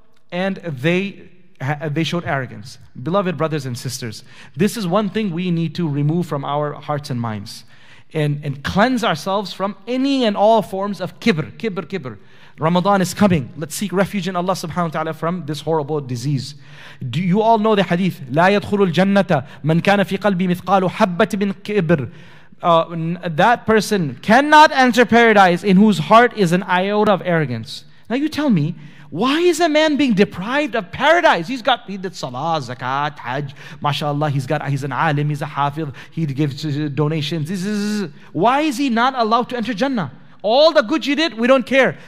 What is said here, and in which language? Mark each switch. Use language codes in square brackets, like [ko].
[en] And they showed arrogance. Beloved brothers and sisters, this is one thing we need to remove from our hearts and minds and cleanse ourselves from any and all forms of kibr. Kibr, kibr. Ramadan is coming. Let's seek refuge in Allah subhanahu wa ta'ala from this horrible disease. Do you all know the hadith? [ar] لا يدخل الجنة من كان في قلبي مثقال حبة من كبر. [en] That person cannot enter paradise in whose heart is an iota of arrogance. Now you tell me, why is a man being deprived of paradise? He's got, he did salah, zakat, hajj, mashallah, he's an alim, he's a hafiz, he gives donations. Why is he not allowed to enter Jannah? All the good you did, we don't care.